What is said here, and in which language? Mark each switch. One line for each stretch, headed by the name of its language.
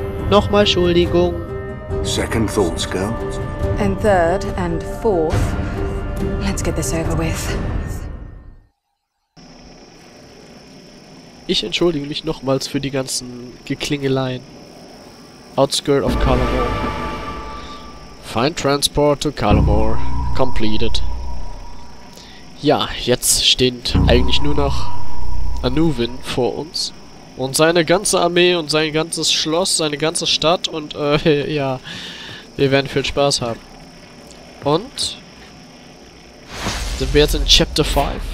German: Nochmal Entschuldigung.
English: Second thoughts, girl. And third and fourth. Let's get this over with.
German: Ich entschuldige mich nochmals für die ganzen Geklingeleien.
English: Outskirt of Kala Moor. Find transport to Kala Moor. Completed.
German: Ja, jetzt steht eigentlich nur noch Anuvin vor uns. Und seine ganze Armee und sein ganzes Schloss, seine ganze Stadt und ja, wir werden viel Spaß haben. Und sind wir jetzt in Chapter 5?